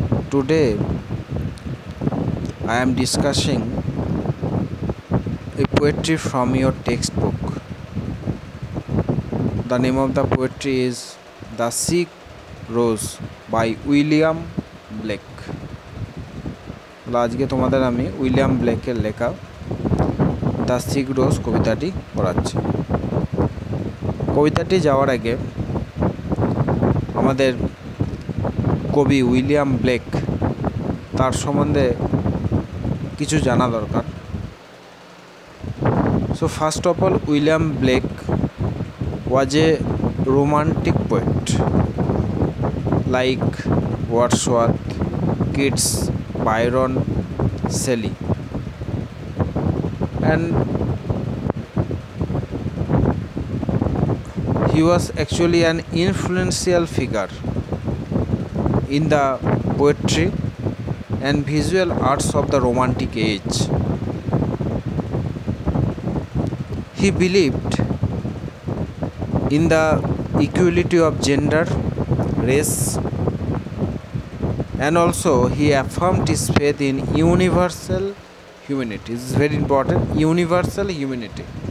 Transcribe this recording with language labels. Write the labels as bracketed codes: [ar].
[en] Today, I am discussing a poetry from your textbook. The name of the poetry is The Sea Rose by William Blake. [bn] আজকে তোমাদের আমি William ব্লেকের লেখা the sick রোজ কবিতাটি পড়াচ্ছি। কবিতাটি যাওয়ার আগে আমাদের কবি উইলিয়াম ব্লেক তার সম্বন্ধে কিছু জানা দরকার। [en] So first of all, William Blake was a romantic poet like Wordsworth, Keats, Byron, Shelley and he was actually an influential figure in the poetry and visual arts of the romantic age. He believed in the equality of gender, race and also he affirmed his faith in universal humanity. This is very important, universal humanity.